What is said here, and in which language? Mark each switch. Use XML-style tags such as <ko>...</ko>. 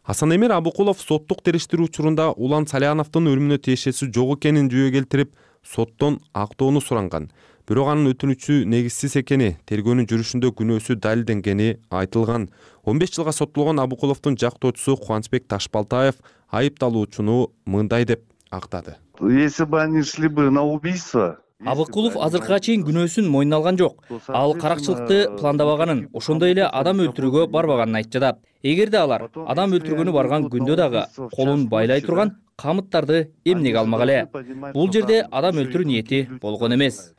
<ky>Асан Эмер Абдыкулов соттук териштирүү учурунда Улан Саляновдун өлүмүнө тиешеси жок экенин жүйө келтирип, соттон актоону суранган. Бирок анын өтүнүчү негизсиз экени, тергөөнүн жүрүшүндө күнөөсү далилденгени айтылган. 15 жылга соттолгон Абдыкуловдун жактоочусу Кубанчбек Ташбалтаев айыпталуучуну мындай деп актады.</ky> <ru>Если бы они шли бы на убийство,</ru> <ky>Абдыкулов азыркыга чейин күнөөсүн мойнолгон жок. Ал каракчылыкты пландабаганын, ошондой эле адам өлтүрүүгө барбаганын айтып жатат. Эгерде алар адам өлтүргөнү барган күндө дагы колун байлай турган камыттарды эмнеге алмак эле? Бул жерде адам өлтүрүү ниети болгон эмес.</ky>